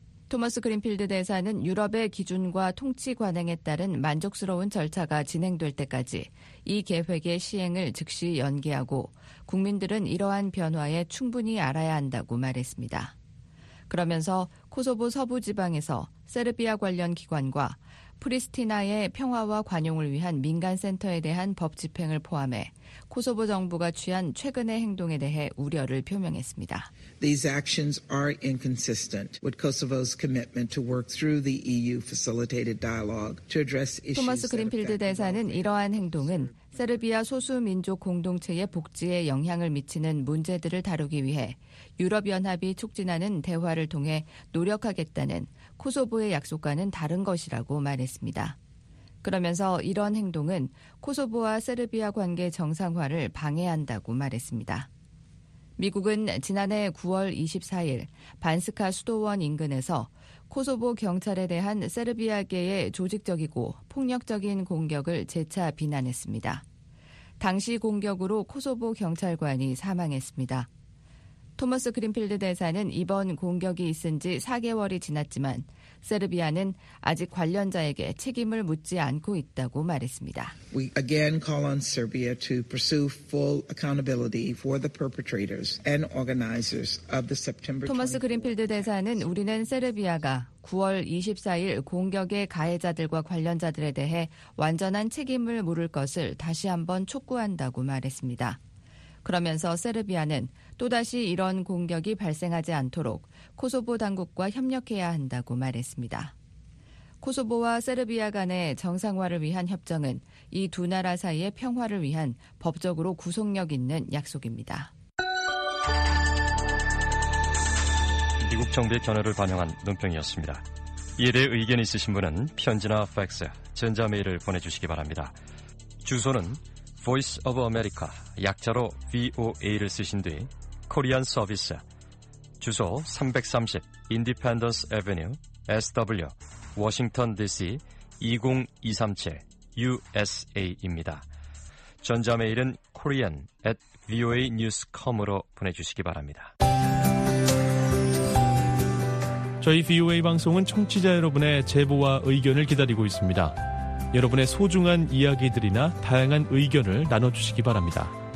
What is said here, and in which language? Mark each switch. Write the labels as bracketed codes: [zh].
[ko] 토마스 그린필드 대사는 유럽의 기준과 통치 관행에 따른 만족스러운 절차가 진행될 때까지 이 계획의 시행을 즉시 연기하고 국민들은 이러한 변화에 충분히 알아야 한다고 말했습니다. 그러면서 코소보 서부 지방에서 세르비아 관련 기관과 프리스티나의 평화와 관용을 위한 민간센터에 대한 법 집행을 포함해 코소보 정부가 취한 최근의 행동에 대해 우려를 표명했습니다. [en] These actions are inconsistent with Kosovo's commitment to work through the EU-facilitated dialogue to address issues. [ko] 토마스 그린필드 대사는 이러한 행동은 세르비아 소수민족 공동체의 복지에 영향을 미치는 문제들을 다루기 위해 유럽연합이 촉진하는 대화를 통해 노력하겠다는 코소보의 약속과는 다른 것이라고 말했습니다. 그러면서 이런 행동은 코소보와 세르비아 관계 정상화를 방해한다고 말했습니다. 미국은 지난해 9월 24일 반스카 수도원 인근에서 코소보 경찰에 대한 세르비아계의 조직적이고 폭력적인 공격을 재차 비난했습니다. 당시 공격으로 코소보 경찰관이 사망했습니다. 토머스 그린필드 대사는 이번 공격이 있은 지 4개월이 지났지만 세르비아는 아직 관련자에게 책임을 묻지 않고 있다고 말했습니다. [en] We again call on Serbia to pursue full accountability for the perpetrators and organizers of the September [ko] 토마스 그린필드 대사는 우리는 세르비아가 9월 24일 공격의 가해자들과 관련자들에 대해 완전한 책임을 물을 것을 다시 한번 촉구한다고 말했습니다. 그러면서 세르비아는 또다시 이런 공격이 발생하지 않도록 코소보 당국과 협력해야 한다고 말했습니다. 코소보와 세르비아 간의 정상화를 위한 협정은 이 두 나라 사이의 평화를 위한 법적으로 구속력 있는 약속입니다. 미국 정부의 견해를 반영한 논평이었습니다. 이에 대해 의견 있으신 분은 편지나 팩스, 전자메일을 보내주시기 바랍니다. 주소는 Voice of America, 약자로 VOA를 쓰신 뒤 Korean Service, 주소 330 Independence Avenue, SW, Washington DC 20237, USA입니다. 전자메일은 korean@voanews.com으로 보내주시기 바랍니다. 저희 VOA 방송은 청취자 여러분의 제보와 의견을 기다리고 있습니다. 여러분의 소중한 이야기들이나 다양한 의견을 나눠주시기 바랍니다.